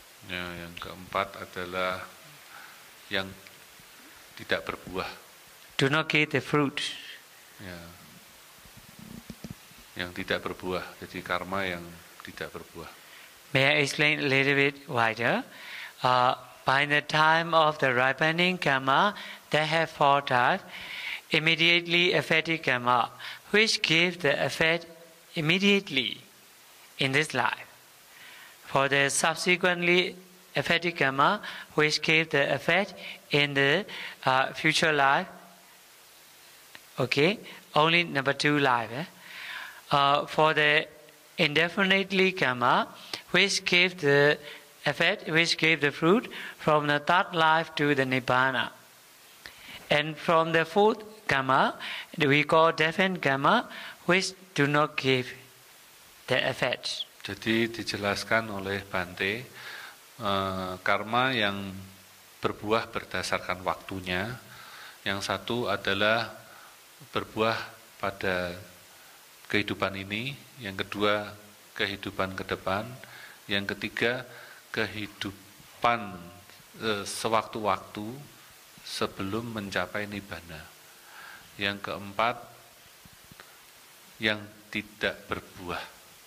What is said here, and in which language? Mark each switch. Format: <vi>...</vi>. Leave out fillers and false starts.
<id>Ya, yang keempat adalah yang tidak berbuah.</id> <en>Do not get the fruit.</en> <id>Ya, yang tidak berbuah. Jadi karma yang tidak berbuah.</id> <en>May I explain a little bit wider? By the time of the ripening karma, they have four types. Immediately effective karma, which give the effect immediately in this life. For the subsequently effective karma, which gave the effect in the future life, okay, only number two life. For the indefinitely karma, which gave the fruit from the third life to the Nibbana. And from the fourth karma, we call definite karma, which do not give the effect.</en> <id>Jadi dijelaskan oleh Bante, karma yang berbuah berdasarkan waktunya, yang satu adalah berbuah pada kehidupan ini, yang kedua kehidupan ke depan, yang ketiga kehidupan sewaktu-waktu sebelum mencapai Nibbana, yang keempat yang tidak berbuah.</id>